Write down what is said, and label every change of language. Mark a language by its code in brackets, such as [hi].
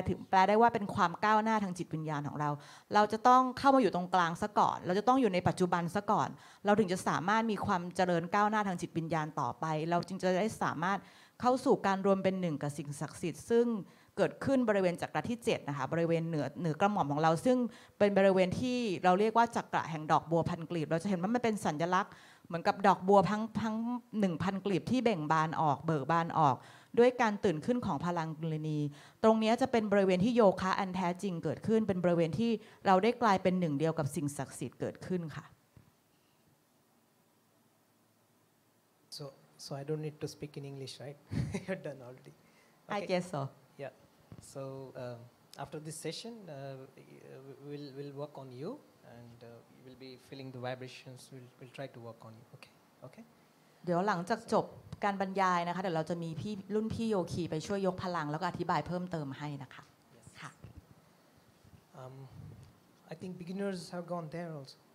[th] แปลได้ว่าเป็นความก้าวหน้าทางจิตวิญญาณของเราเราจะต้องเข้ามาอยู่ตรงกลางซะก่อนเราจะต้องอยู่ในปัจจุบันซะก่อนเราถึงจะสามารถมีความเจริญก้าวหน้าทางจิตวิญญาณต่อไปเราจึงจะได้สามารถเข้าสู่การรวมเป็นหนึ่งกับสิ่งศักดิ์สิทธิ์ซึ่งเกิดขึ้นบริเวณจักระที่7นะคะบริเวณเหนือกระหม่อมของเราซึ่งเป็นบริเวณที่เราเรียกว่าจักระแห่งดอกบัวพันกลีบเราจะเห็นว่ามันเป็นสัญลักษณ์เหมือนกับดอกบัวทั้ง 1,000 กลีบที่เบ่งบานออกเบิกบานออกด้วยการตื่นขึ้นของพลังกุลีนีตรงนี้จะเป็นบริเวณที่โยคะอันแท้จริงเกิดขึ้นเป็นบริเวณที่เราได้กลายเป็นหนึ่งเดียวกับสิ่งศักดิ์สิทธิ์เกิดขึ้นค่ะ [en] So I don't need to speak in English, right? You're done already. Okay. I guess so. Yeah. So after this session, we'll work on you, and you will be feeling the vibrations. We'll try to work on you. Okay. Okay. [th] เดี๋ยวหลังจากจบการบรรยายนะคะเดี๋ยวเราจะมีพี่รุ่นพี่โยคีไปช่วยยกพลังแล้วก็อธิบายเพิ่มเติมให้นะคะค่ะ [en] I think beginners have gone there also.